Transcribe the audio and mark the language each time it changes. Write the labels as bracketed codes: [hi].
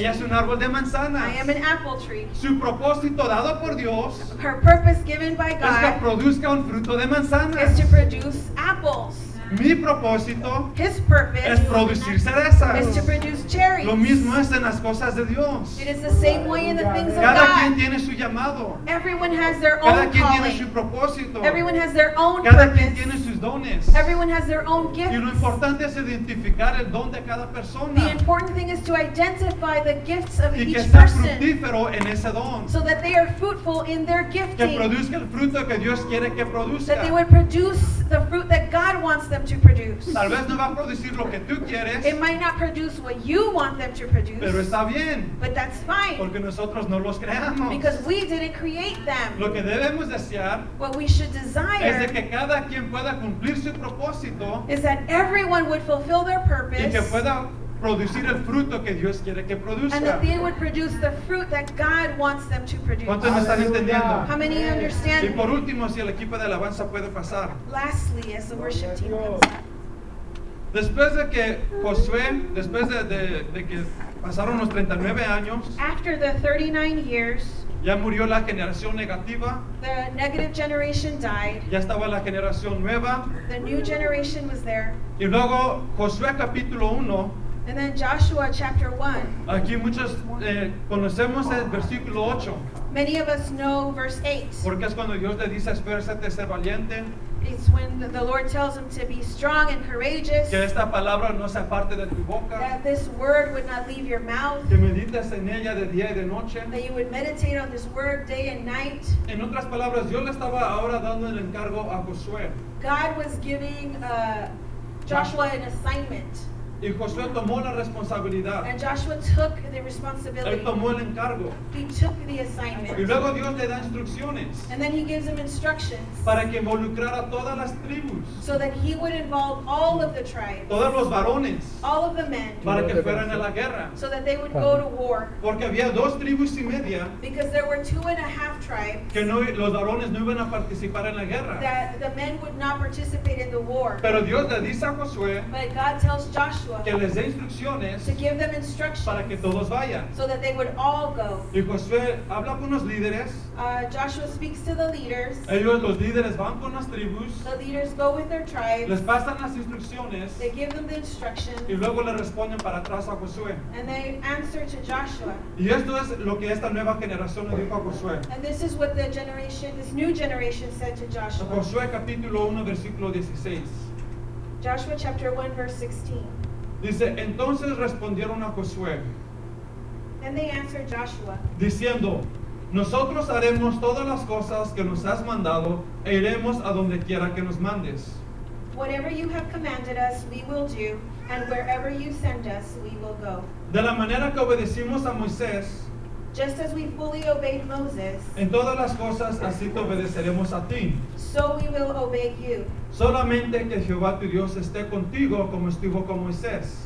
[es] Ella es un árbol de manzanas. [en] I am an apple tree. [es] Su propósito dado por Dios. [en] Her purpose given by God. [es] Es que produzca un fruto de manzanas. [en] Is to produce apples. [es] Mi propósito, [en] his purpose, [es] es producir cerezas. [en] Is to produce cherries. [es] Lo mismo es en las cosas de Dios. [en] It is the same way in the things [es] cada [en] of God. [es] Cada quien tiene su llamado. [en] Everyone has their [es] cada [en] own calling. [es] quien tiene su propósito. [en] Everyone has their own [es] cada [en] purpose. [es] Cada quien tiene sus dones. [en] Everyone has their own gifts. [es] Y lo importante es identificar el don de cada persona. [en] The important thing is to identify the gifts of [es] y [en] each person. [es] Y que sea fructífero en ese don. [en] So that they are fruitful in their gifting. [es] Que produzca el fruto que Dios quiere que produzca. [en] That they would produce the fruit that God wants them to produce. [es] Tal vez no va a producir lo que tú quieres. [en] It might not produce what you want them to produce. [es] Pero está bien. [en] But that's fine. [es] Porque nosotros no los creamos. [en] Because we didn't create them. [es] Lo que debemos desear, [en] what we should desire, [es] es de que cada quien pueda cumplir su propósito, [en] is that everyone would fulfill their purpose, [es] y que pueda producir el fruto que Dios quiere que produzca. [en] And that they would produce the fruit that God wants them to produce. [es] ¿Cuántos me están entendiendo? [en] How many understand? [es] Y por último, si el equipo de alabanza puede pasar. [en] Lastly, as the worship team comes up. [es] Después de que Josué, después de que pasaron los 39 años, [en] after the 39 years, [es] ya murió la generación negativa. [en] The negative generation died. [es] Ya estaba la generación nueva. [en] The new generation was there. [es] Y luego Josué capítulo 1. [en] And then Joshua chapter 1. [es] Aquí muchos conocemos el versículo 8. [en] Many of us know verse 8. [es] Porque es cuando Dios le dice esfuérzate, ser valiente. [en] It's when the Lord tells him to be strong and courageous. [es] Que esta palabra no sea parte de tu boca. [en] That this word would not leave your mouth. [es] Que medites en ella de día y de noche. [en] That you would meditate on this word day and night. [es] En otras palabras, Dios le estaba ahora dando el encargo a Josué. [en] God was giving Joshua an assignment. [es] Y Josué tomó la responsabilidad. [en] And Joshua took the responsibility. [es] Él tomó el encargo. [en] He took the assignment. [es] Y luego Dios le da instrucciones. [en] And then he gives him instructions. [es] Para que involucrara todas las tribus. [en] So that he would involve all of the tribes. [es] Todos los varones. [en] All of the men. [es] Para que fueran a la guerra. [en] So that they would go to war. [es] Porque había dos tribus y media. [en] Because there were two and a half tribes. [es] Que no, los varones no iban a participar en la guerra. [en] That the men would not participate in the war. [es] Pero Dios le dice a Josué. [en] But God tells Joshua. [es] Que les dé instrucciones [en] to give them instructions [es] para que todos vayan. [en] So that they would all go. [es] Y Josué habla con los líderes. [en] Joshua speaks to the leaders. [es] Ellos, los líderes van con las tribus. [en] The leaders go with their tribes. [es] Les pasan las instrucciones. [en] They give them the instructions. [es] Y luego le responden para atrás a Josué. [en] And they answer to Joshua. [es] Y esto es lo que esta nueva generación le dijo a Josué. [en] And this is what this new generation said to Joshua. [es] Josué capítulo 1 versículo 16. [en] Joshua chapter 1 verse 16. [es] Dice, entonces respondieron a Josué. [en] Then they answered Joshua. [es] Diciendo, nosotros haremos todas las cosas que nos has mandado e iremos a donde quiera que nos mandes. [en] Whatever you have commanded us, we will do, and wherever you send us, we will go. [es] De la manera que obedecimos a Moisés, [en] Just as we fully obeyed Moses. [es] En todas las cosas así te obedeceremos a ti. [en] So we will obey you. [es] Solamente que Jehová tu Dios esté contigo como estuvo con Moisés.